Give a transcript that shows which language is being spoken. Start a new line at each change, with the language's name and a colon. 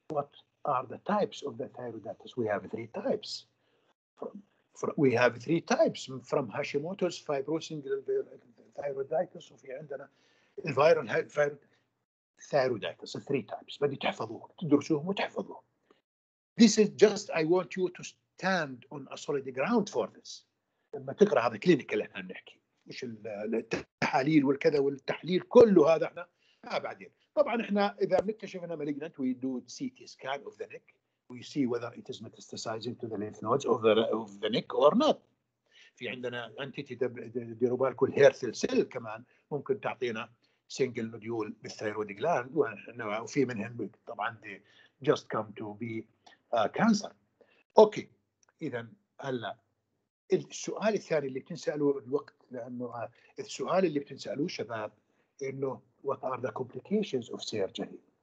English: What are the types of the thyroiditis? We have three types. We have three types from Hashimoto's fibrosing thyroiditis. So we have the viral thyroiditis, three types.
Arabic: بدي تحفظوه تدرسوهم وتحفظوه.
English: This is just I want you to stand on a solid ground for this.
Arabic: لما تقرأ هذا كلينيكال اللي احنا بنحكي مش التحاليل والكذا والتحليل كله هذا احنا بعدين. طبعا احنا اذا بنكتشف انها malignant we do CT scan of the neck.
English: We see whether it is metastasizing to the lymph nodes of the neck or not.
Arabic: في عندنا entity ديروا بالكم الهيرثل سيل كمان ممكن تعطينا single nodule بالثيرويد جلاند وفي منهم طبعا
English: they just come to be cancer.
Arabic: اوكي اذا هلا السؤال الثاني اللي بتنسألوا الوقت لانه السؤال اللي بتنسألوه شباب انه
English: what are the complications of surgery?